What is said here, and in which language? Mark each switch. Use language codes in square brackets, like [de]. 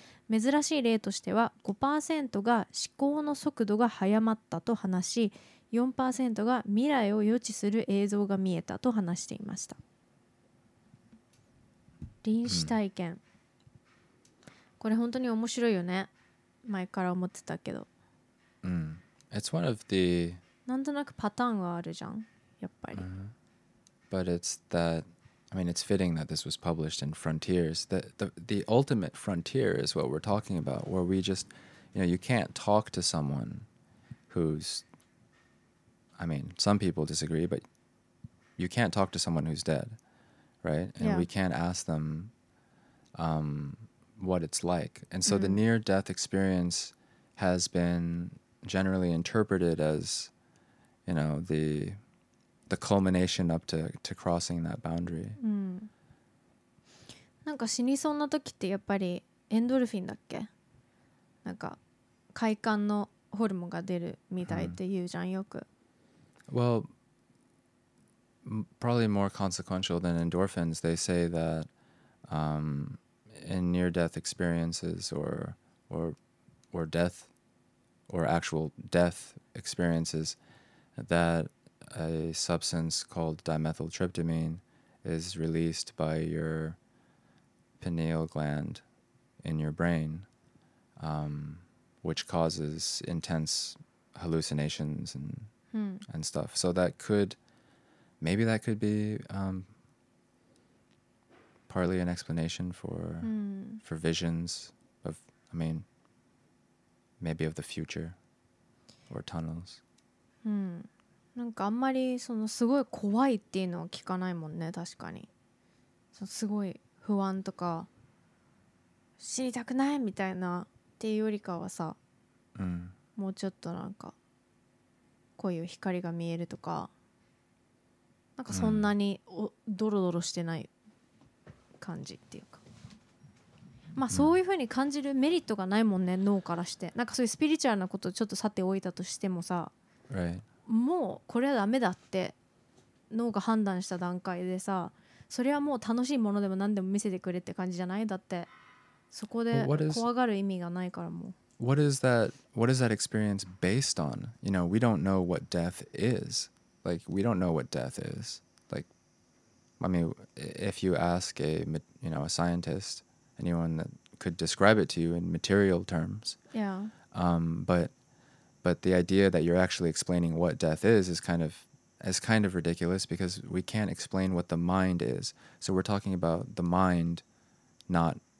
[ja] 珍しい例としては 5% が思考の速度が早まったと話し、4% が未来を予知する映像が見えたと話していました。臨死体験。これ本当に面白いよね。前から思ってたけど。 [en] It's one of the... [ja] なんとなくパターンがあるじゃん、やっぱり。 [en] But it's that... I mean, it's fitting that this was published in Frontiers. The ultimate frontier is what we're talking about, where we just, you know, you can't talk to someone who's, I mean, some people disagree, but you can't talk to someone who's dead, right? And we can't ask them what it's like. And so the near-death experience has been generally interpreted as, you know, the culmination up to crossing that boundary. [ja] なんか死にそうな時ってやっぱりエンドルフィンだっけ？なんか快感のホルモンが出るみたいって言うじゃんよく。 [en] Well, probably more consequential than endorphins. They say that in near-death experiences or death or actual death experiences thatA substance called dimethyltryptamine is released by your pineal gland in your brain, which causes intense hallucinations and stuff. So that could, maybe that could be partly an explanation for visions of, I mean, maybe of the future or tunnels. [ja] なんかあんまりそのすごい怖いっていうのは聞かないもんね、確かに。そのすごい不安とか死にたくないみたいなっていうよりかはさ、もうちょっとなんかこういう光が見えるとか、なんかそんなにドロドロしてない感じっていうか、まあそういう風に感じるメリットがないもんね、脳からして。なんかそういうスピリチュアルなことをちょっとさておいたとしてもさ、 [en] right. [ja] もうこれはダメだって脳が判断した段階でさ、それはもう楽しいものでも何でも見せてくれって感じじゃない？だってそこで怖がる意味がないからも。 [en] What is that experience based on? You know, we don't know what death is. Like, we don't know what death is. Like, I mean, if you ask a, you know, a scientist, anyone that could describe it to you in material terms. Yeah. But the idea that you're actually explaining what death is kind of ridiculous because we can't explain what the mind is. So we're talking about the mind, not